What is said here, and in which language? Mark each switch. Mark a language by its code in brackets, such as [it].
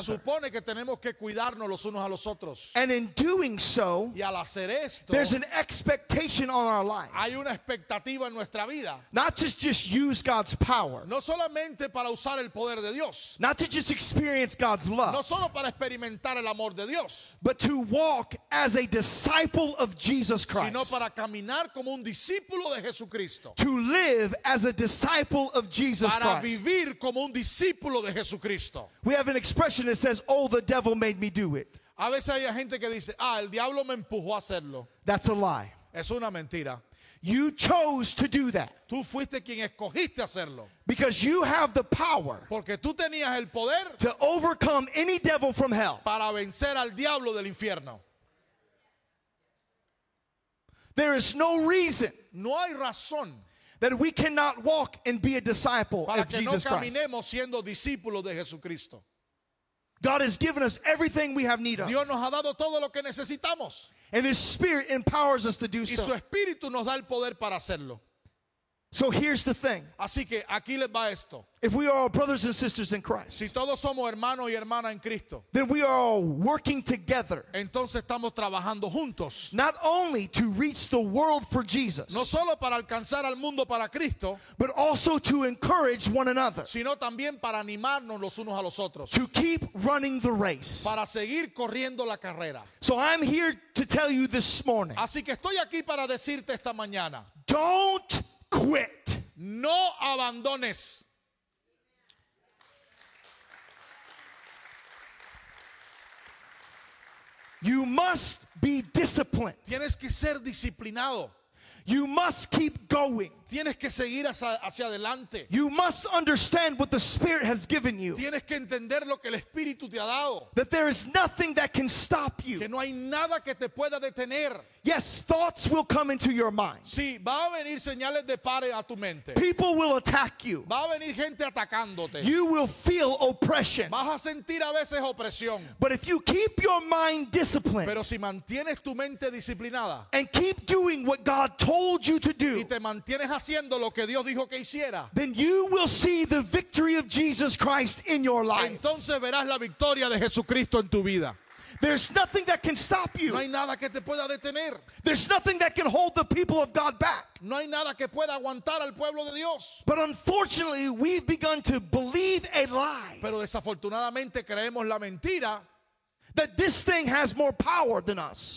[es] Se supone que tenemos que cuidarnos los unos a los otros. [en] And in doing so, [es] y al hacer esto, [en] there's an expectation on our life. [es] Hay una expectativa en nuestra vida. [en] Not to just use God's power. [es] No solamente para usar el poder de Dios. [en] Not to just experience God's love. [es] No solo para experimentar el amor de Dios. [en] But to walk as a disciple of Jesus Christ. [es] Sino para caminar como un discípulo de Jesucristo. [en] To live as a disciple of Jesus [es] para [en] Christ. [es] Para vivir como un discípulo de Jesucristo. [en] We have an expression that says, "Oh, the devil made me do it." [es] A veces hay gente que dice, "Ah, el diablo me empujó a hacerlo." [en] That's a lie. [es] Es una mentira. [en] You chose to do that. [es] Tú fuiste quien escogiste hacerlo. [en] Because you have the power. [es] Porque tú tenías el poder. [en] To overcome any devil from hell. [es] Para vencer al diablo del infierno. [en] There is no reason. [es] No hay razón. [en] That we cannot walk and be a disciple [es] para [en] of Jesus [es] no caminemos [en] Christ. [es] Siendo discípulos de Jesucristo. [en] God has given us everything we have need of. [es] Dios nos ha dado todo lo que necesitamos. [en] And his spirit empowers us to do [es] y [en] so. [es] Y su espíritu nos da el poder para hacerlo. [en] So here's the thing. [es] Así que aquí les va esto. [en] If we are all brothers and sisters in Christ, [es] si todos somos hermanos y hermanas en Cristo, [en] then we are all working together. [es] Entonces estamos trabajando juntos. [en] Not only to reach the world for Jesus, [es] no solo para alcanzar al mundo para Cristo, [en] but also to encourage one another, [es] sino también para animarnos los unos a los otros, [en] to keep running the race, [es] para seguir corriendo la carrera. [en] So I'm here to tell you this morning. [es] Así que estoy aquí para decirte esta mañana. [en] Don't quit. [es] No abandones. [en] You must be disciplined. [es] Tienes que ser disciplinado. [en] You must keep going. [es] Tienes que seguir hacia adelante. [en] You must understand what the Spirit has given you. [es] Tienes que entender lo que el Espíritu te ha dado. [en] That there is nothing that can stop you. [es] Que no hay nada que te pueda detener. [en] Yes, thoughts will come into your mind. [es] Sí, va a venir señales de pare a tu mente. [en] People will attack you. [es] Va a venir gente atacándote. [en] You will feel oppression. [es] Vas a sentir a veces opresión. [en] But if you keep your mind disciplined, [es] pero si mantienes tu mente disciplinada, [en] and keep doing what God told you to do, [es] y te mantienes haciendo lo que Dios dijo que hiciera, [en] then you will see the victory of Jesus Christ in your life. [es] Entonces verás la victoria de Jesucristo en tu vida. [en] There's nothing that can stop you. [es] No hay nada que te pueda detener. [en] There's nothing that can hold the people of God back. [es] No hay nada que pueda aguantar al pueblo de Dios. [en] But unfortunately, we've begun to believe a lie. [es] Pero desafortunadamente creemos la mentira. [en] That this thing has more power than us.